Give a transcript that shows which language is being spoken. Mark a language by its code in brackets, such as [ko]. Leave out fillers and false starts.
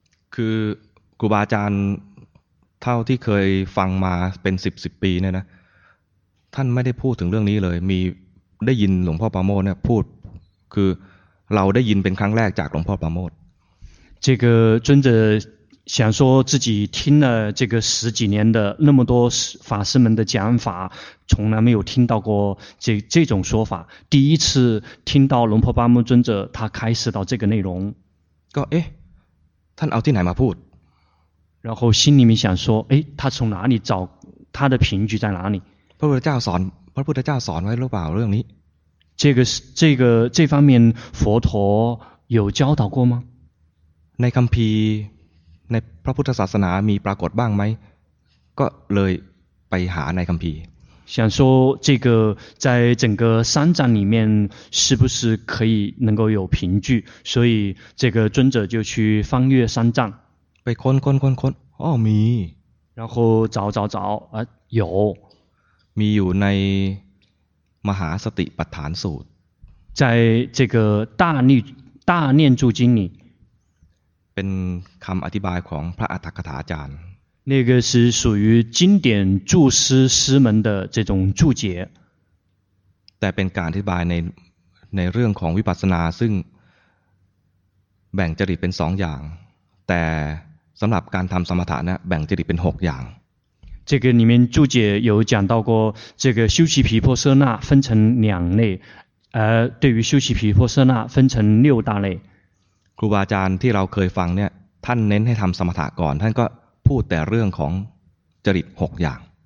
[th] คือครูบาอาจารย์เท่าที่เคยฟังมาเป็น10ปีเนี่ยนะท่านไม่ได้พูดถึงเรื่องนี้เลยมีได้ยินหลวงพ่อปาโมทเนี่ยพูดคือเราได้ยินเป็นครั้งแรกจากหลวงพ่อปาโมท [zh] 这个尊者想说自己听了这个十几年的那么多法师们的讲法，从来没有听到过这种说法，第一次听到龙婆巴木尊者他开始到这个内容。 [th] ก็เอ๊ะท่านเอาที่ไหนมาพูด？ [zh] 然后心里面想说，哎，他从哪里找他的凭据在哪里？ [th] พระพุทธเจ้าสอนพระพุทธเจ้าสอนไว้หรือเปล่าเรื่องนี้？ [zh] 这方面佛陀有教导过吗？ [th] ในคัมภีร์ในพระพุทธศาสนามีปรากฏบ้างไหมก็เลยไปหาในคัมภีร์ [zh] 想说这个在整个三藏里面是不是可以能够有凭据所以这个尊者就去翻阅三藏 [th] ไปค้นอ้อมี [zh] 然后找有 [th] มีอยู่ในมหาสติปัฏฐานสูตร [zh] 在这个大念注经里 [th] เป็นคำอธิบายของพระอัฏฐกถาจารย์ [zh] 那个是属于经典注师师门的这种注解 [th] แต่เป็นการอธิบายในเรื่องของวิปัสสนาซึ่งแบ่งจริตเป็น2อย่างแต่สำหรับการทำสมถะนะแบ่งจริตเป็น6อย่าง [zh] 这个里面注解有讲到过这个修习毗婆舍那分成两类而对于修习毗婆舍那分成六大类 [th] ครูบาอาจารย์ที่เราเคยฟังเนี่ยท่านเน้นให้ทำสมถะก่อนท่านก็พูดแต่เรื่องของจริต6อย่าง